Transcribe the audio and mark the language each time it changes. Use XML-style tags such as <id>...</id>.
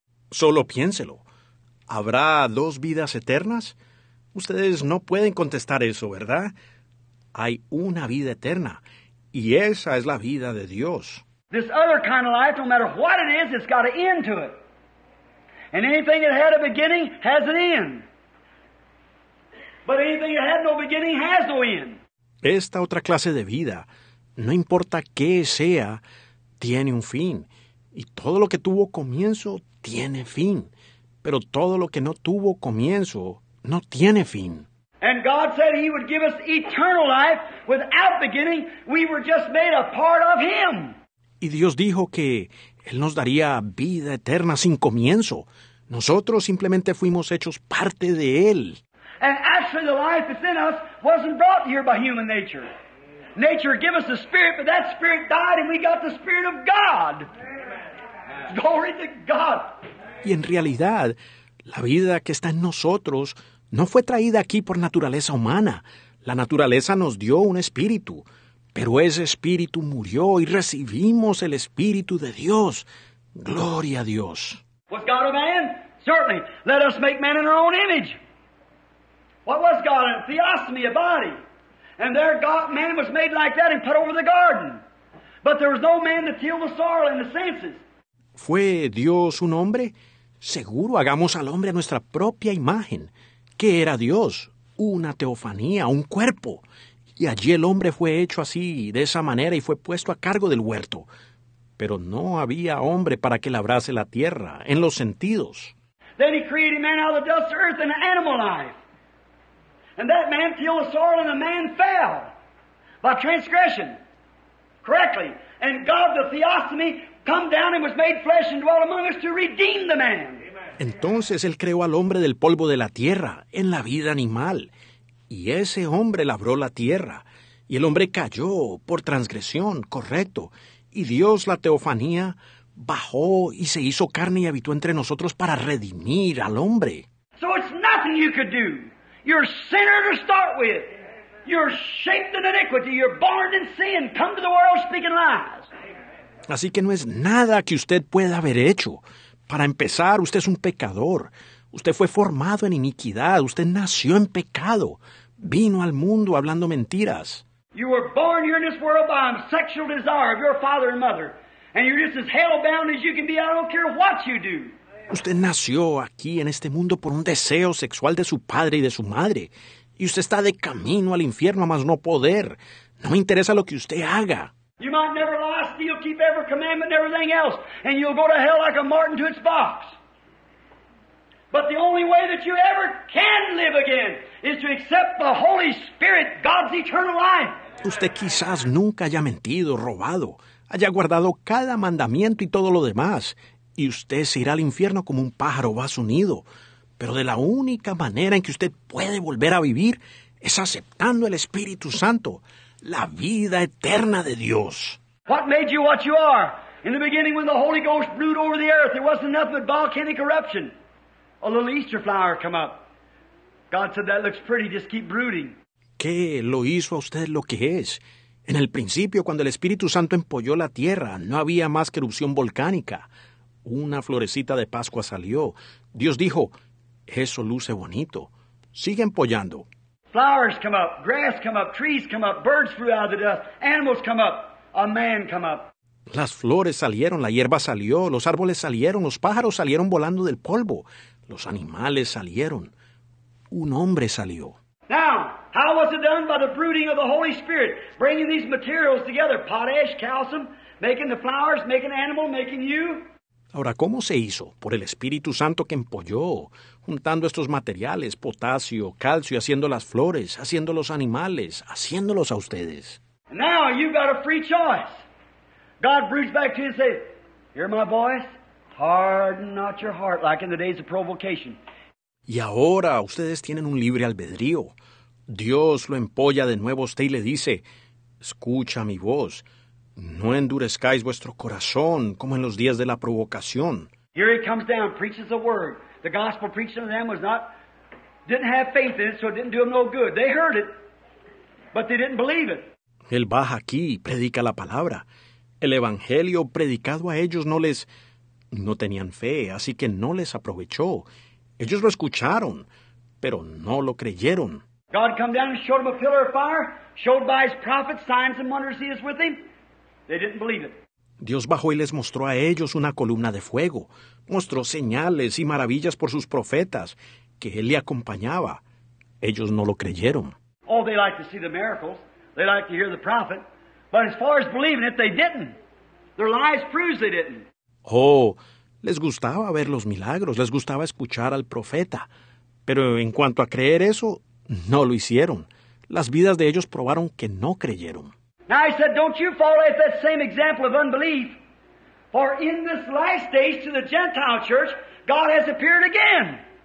<es>Solo piénselo. ¿Habrá dos vidas eternas? Ustedes no pueden contestar eso, ¿verdad? Hay una vida eterna, y esa es la vida de Dios.</es> <en>This other kind of life, no matter what it is, it's got an end to it. And anything that had a beginning has an end. But anything that had no beginning has no end.</en> <es>Esta otra clase de vida, no importa qué sea, tiene un fin. Y todo lo que tuvo comienzo tiene fin. Pero todo lo que no tuvo comienzo no tiene fin.</es> <en>And God said he would give us eternal life without beginning. We were just made a part of him.</en> <es>Y Dios dijo que él nos daría vida eterna sin comienzo. Nosotros simplemente fuimos hechos parte de él.</es> <en>And actually the life that's in us wasn't brought here by human nature. Nature gave us the spirit, but that spirit died and we got the spirit of God. Amen. Glory to God.</en> <es>Y en realidad, la vida que está en nosotros no fue traída aquí por naturaleza humana. La naturaleza nos dio un espíritu, pero ese espíritu murió y recibimos el espíritu de Dios. Gloria a Dios.</es> <en>Was God a man? Certainly. Let us make man in our own image. What was God? A theosomy, a body. And there God, man was made like that and put over the garden. But there was no man to till the soil in the senses.</en> <es>¿Fue Dios un hombre? Seguro, hagamos al hombre a nuestra propia imagen. ¿Qué era Dios? Una teofanía, un cuerpo. Y allí el hombre fue hecho así, de esa manera, y fue puesto a cargo del huerto. Pero no había hombre para que labrase la tierra, en los sentidos.</es> <en>Then he created man out of the dust of earth and animal life. And that man tilled the soil and the man fell by transgression, correctly. And God, the theosomy, come down and was made flesh and dwelt among us to redeem the man.</en> <es>Entonces, él creó al hombre del polvo de la tierra, en la vida animal. Y ese hombre labró la tierra. Y el hombre cayó por transgresión, correcto. Y Dios, la teofanía, bajó y se hizo carne y habitó entre nosotros para redimir al hombre.</es> <en>So it's nothing you could do. You're a sinner to start with. You're shaped in iniquity. You're born in sin. Come to the world speaking lies.</en> <es>Así que no es nada que usted pueda haber hecho. Para empezar, usted es un pecador. Usted fue formado en iniquidad. Usted nació en pecado. Vino al mundo hablando mentiras.</es> <en>You were born here in this world by a sexual desire of your father and mother. And you're just as hell-bound as you can be. I don't care what you do.</en> <es>Usted nació aquí en este mundo por un deseo sexual de su padre y de su madre. Y usted está de camino al infierno a más no poder. No me interesa lo que usted haga.</es> <en>You might never lie, steal, keep every commandment and everything else, and you'll go to hell like a marten to its box. But the only way that you ever can live again is to accept the Holy Spirit, God's eternal life.</en> <es>Usted quizás nunca haya mentido, robado, haya guardado cada mandamiento y todo lo demás. Y usted se irá al infierno como un pájaro va a su nido. Pero de la única manera en que usted puede volver a vivir es aceptando el Espíritu Santo, la vida eterna de Dios.</es> <en>What made you what you are? In the beginning when the Holy Ghost brewed over the earth, there wasn't nothing but volcanic eruption. A little Easter flower come up. God said, that looks pretty, just keep brooding.</en> <es>¿Qué lo hizo a usted lo que es? En el principio, cuando el Espíritu Santo empolló la tierra, no había más que erupción volcánica. Una florecita de Pascua salió. Dios dijo, eso luce bonito. Sigue empollando.</es> <en>Flowers come up, grass come up, trees come up, birds flew out of the dust, animals come up, a man come up.</en> <es>Las flores salieron, la hierba salió, los árboles salieron, los pájaros salieron volando del polvo, los animales salieron, un hombre salió.</es> <en>Now, how was it done? By the brooding of the Holy Spirit, bringing these materials together, potash, calcium, making the flowers, making animal, making you.</en> <es>Ahora, ¿cómo se hizo? Por el Espíritu Santo que empolló, juntando estos materiales, potasio, calcio, haciendo las flores, haciendo los animales, haciéndolos a ustedes.</es> <en>Now you've got a free choice. God breathes back to you and says, hear my voice, harden not your heart like in the days of provocation.</en> <es>Y ahora ustedes tienen un libre albedrío. Dios lo empolla de nuevo a usted y le dice, escucha mi voz. No endurezcáis vuestro corazón como en los días de la provocación.</es> <en>Here he comes down, preaches the word. The gospel preached unto them was not, didn't have faith in it, so it didn't do them no good. They heard it, but they didn't believe it.</en> <es>Él baja aquí y predica la palabra. El evangelio predicado a ellos no les, no tenían fe, así que no les aprovechó. Ellos lo escucharon, pero no lo creyeron.</es> <en>God come down and showed them a pillar of fire, showed by his prophets signs and wonders he is with him. They didn't believe it.</en> <es>Dios bajó y les mostró a ellos una columna de fuego. Mostró señales y maravillas por sus profetas que él le acompañaba. Ellos no lo creyeron.</es> <en>Oh, they like to see the miracles. They like to hear the prophet. But as far as believing it, they didn't. Their lies proves they didn't.</en> <es>Oh, les gustaba ver los milagros, les gustaba escuchar al profeta. Pero en cuanto a creer eso, no lo hicieron. Las vidas de ellos probaron que no creyeron.</es> <en>Now I said, don't you fall at that same example of unbelief. For in this last days to the Gentile church, God has appeared again.</en>